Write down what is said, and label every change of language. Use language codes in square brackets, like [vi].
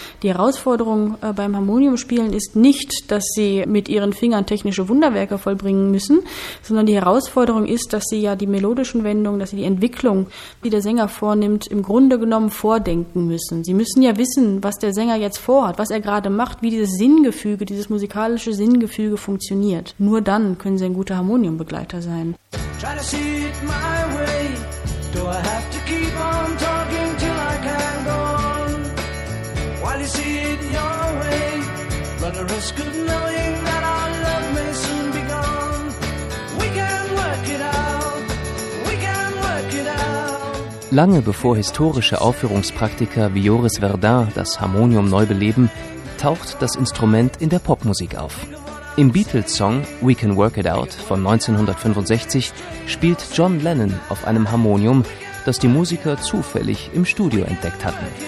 [de] Die Herausforderung beim Harmoniumspielen ist nicht, dass sie mit ihren Fingern technische Wunderwerke vollbringen müssen, sondern die Herausforderung ist, dass sie ja die melodischen Wendungen, dass sie die Entwicklung, die der Sänger vornimmt, im Grunde genommen vordenken müssen. Sie müssen ja wissen, was der Sänger jetzt vorhat, was er gerade macht, wie dieses Sinngefüge, dieses musikalische Sinngefüge funktioniert. Nur dann können sie ein guter Harmoniumbegleiter sein. [en] Try to see it my way. Do I have to keep on talking till I can go on? While you see it your way, run the risk of knowing that our love may soon be gone. We can work it out. We can work it out. [de] Lange bevor historische Aufführungspraktiker wie Joris Verdun das Harmonium neu beleben, taucht das Instrument in der Popmusik auf. Im Beatles-Song »We Can Work It Out« von 1965 spielt John Lennon auf einem Harmonium, das die Musiker zufällig im Studio entdeckt hatten.